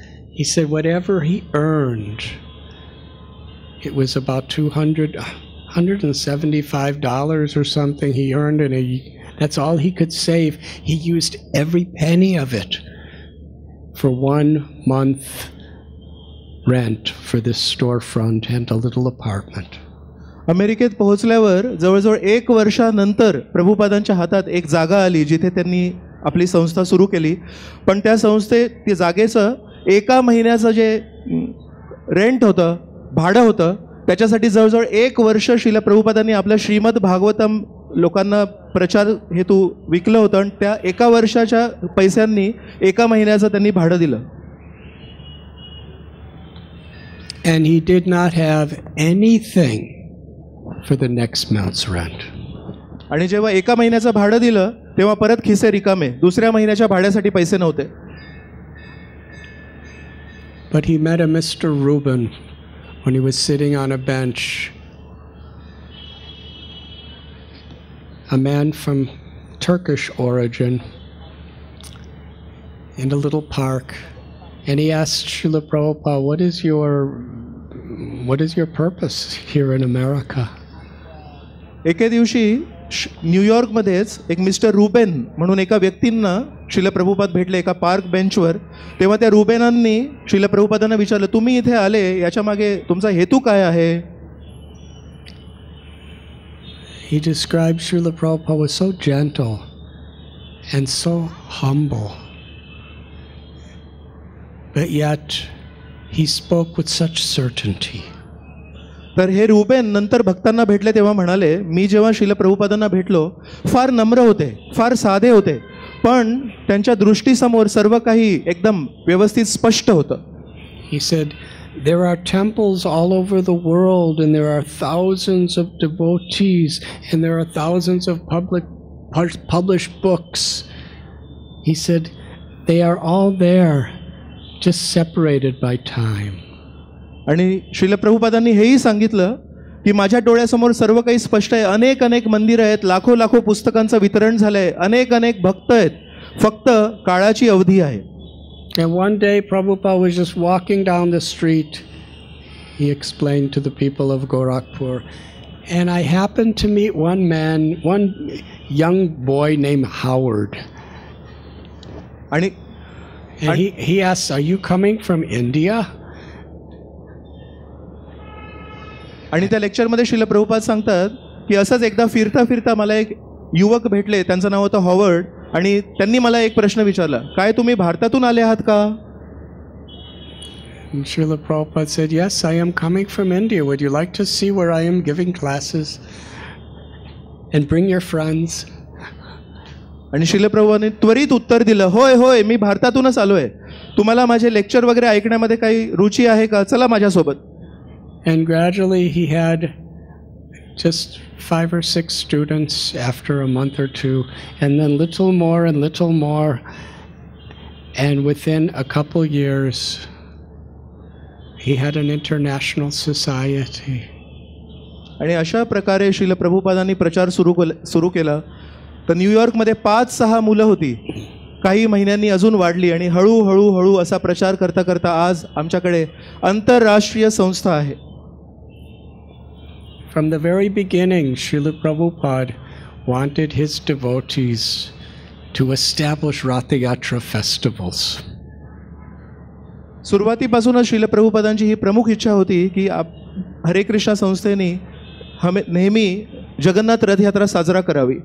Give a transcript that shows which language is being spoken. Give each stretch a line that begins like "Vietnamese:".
English: He said, whatever he earned, it was about $275 or something he earned in a year. That's all he could save. He used every penny of it for 1 month rent for this storefront and a little apartment.
Marathi: अमेरिकेत पोहोचल्यावर जवळजवळ एक वर्षानंतर प्रभुपादांच्या हातात एक जागा आली जिथे त्यांनी आपली संस्था सुरू केली, पण त्या संस्थे त्या जागेचं एका महिन्याचं जे रेंट होतं, भाडं होतं, त्याच्यासाठी जवळजवळ एक वर्ष शिला प्रभुपादांनी आपलं श्रीमद भागवतम लोकांना प्रचार हेतू विकलं होतं, आणि त्या एका वर्षाच्या पैशांनी एका महिन्याचं त्यांनी भाडं दिलं.
English: And he did not have anything for the next month's rent.
Marathi: आणि जेव्हा एका महिन्याचं भाडं दिलं तेव्हा परत खिसे रिकामे, दुसऱ्या महिन्याच्या भाड्यासाठी पैसे नव्हते.
English: But he met a Mr. Rubin when he was sitting on a bench. A man from Turkish origin in a little park. And he asked Srila Prabhupada, what is your purpose here in America?
Marathi: एके दिवशी न्यूयॉर्कमध्येच एक mister Reuben म्हणून एका व्यक्तींना श्रील प्रभुपाद भेटले एका park बेंचवर. तेव्हा त्या रुबेनांनी श्रील प्रभुपादांना विचारलं, तुम्ही इथे आले याच्या मागे तुमचा हेतू काय आहे?
English: He described Srila Prabhupada was so gentle and so humble. But yet he spoke with such certainty.
Marathi: तर हे रुबेन नंतर भक्तांना भेटले तेव्हा म्हणाले, मी जेव्हा श्रील प्रभुपादांना भेटलो फार नम्र होते, फार साधे होते, पण त्यांच्या दृष्टीसमोर सर्व काही एकदम व्यवस्थित स्पष्ट होतं.
English: He said, there are temples all over the world and there are thousands of devotees and there are thousands of published books. He said, they are all there, just separated by time.
Marathi: आणि श्रील प्रभुपादांनी हेही सांगितलं की माझ्या डोळ्यासमोर सर्व काही स्पष्ट आहे, अनेक अनेक मंदिरं आहेत, लाखो लाखो पुस्तकांचं वितरण झालं आहे, अनेक अनेक भक्त आहेत, फक्त काळाची अवधी आहे.
English: And one day Prabhupada was just walking down the street, he explained to the people of Gorakhpur, and I happened to meet one man, one young boy named Howard. And he asks, are you coming from India?
Marathi: आणि त्या लेक्चरमध्ये श्रील प्रभुपाद सांगतात की असंच एकदा फिरता फिरता मला एक युवक भेटले, त्यांचं नाव होतं हॉवर्ड, आणि त्यांनी मला एक प्रश्न विचारला, काय तुम्ही भारतातून आले आहात का?
English: Srila Prabhupada said, yes I am coming from India, would you like to see where I am giving classes and bring your friends.
Marathi: आणि श्रील प्रभुपादने त्वरित उत्तर दिलं, होय होय, मी भारतातूनच आलो आहे, तुम्हाला माझे लेक्चर वगैरे ऐकण्यामध्ये काही रुची आहे का? चला माझ्यासोबत.
English: And gradually he had just 5 or 6 students after a month or two, and then little more and little more, and within a couple years he had an international society.
Marathi: आणि अशा प्रकारे श्रील प्रभुपादांनी प्रचार सुरू केला तर न्यूयॉर्कमध्ये 5-6 मुलं होती, काही महिन्यांनी अजून वाढली, आणि हळूहळू असा प्रचार करता करता आज आमच्याकडे आंतरराष्ट्रीय संस्था आहे.
English: From the very beginning, Srila Prabhupada wanted his devotees to establish Rath Yatra festivals.
Marathi: सुरुवातीपासून श्रील प्रभुपादांची ही प्रमुख इच्छा होती की हरे कृष्णा संस्थेने नेहमी जगन्नाथ रथयात्रा साजरा करावी.